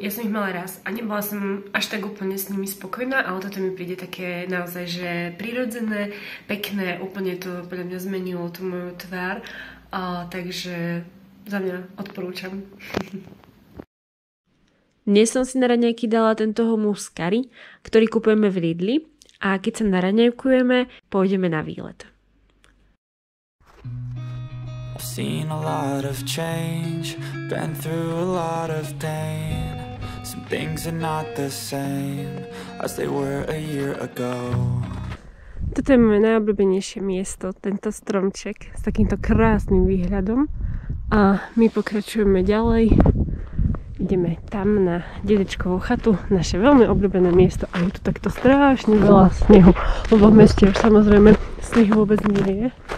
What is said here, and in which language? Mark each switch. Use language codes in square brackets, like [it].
[sk] Ja som ich mala raz a nebola som až tak úplne s nimi spokojná, ale toto mi príde také naozaj, že prirodzené, pekné, úplne to podľa mňa zmenilo tú moju tvár. Takže za mňa odporúčam. Dnes som si na raňajky dala tento hummus curry, ktorý kupujeme v Lidli a keď sa naraňajkujeme, pôjdeme na výlet. [en] I've seen a lot of change, been through a lot of pain. Some things are not the same as they were a year ago. [sk] Toto je moje najobľúbenejšie miesto, tento stromček s takýmto krásnym výhľadom. A my pokračujeme ďalej. Ideme tam na dedečkovú chatu, naše veľmi obľúbené miesto. A je tu takto strašne veľa snehu, lebo v meste už samozrejme sneh vôbec nie je.